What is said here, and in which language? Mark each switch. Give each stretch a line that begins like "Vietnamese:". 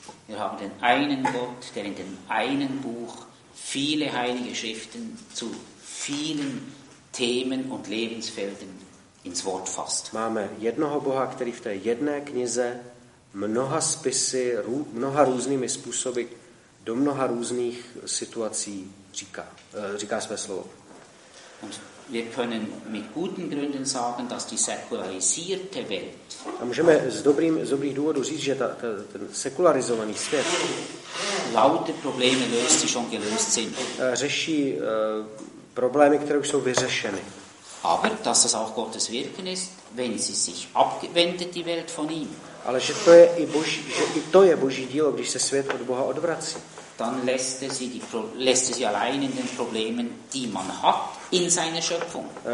German: Wir haben den einen Gott, der in dem einen Buch viele heilige Schriften zu vielen Themen und Lebensfeldern ins Wort fasst.
Czech: Máme jednoho Boha, který v té jedné knize mnoha spisy, mnoha různými způsoby do mnoha různých situací říká své slovo.
German: Und wir können mit guten Gründen sagen, dass die säkularisierte Welt.
Czech: A můžeme z dobrých důvodů říct, že ten sekularizovaný svět
German: lauter Probleme löst, die schon gelöst sind.
Czech: Řeší problémy, které už jsou vyřešeny.
German: Aber dass das auch Gottes Wirken ist, wenn sie sich abgewendet die Welt von ihm.
Czech: Ale že to je i Boží, že i to je Boží dílo, když se svět od Boha odvrací.
German: Dann lässt er sie allein in den Problemen, die man hat in seiner Schöpfung.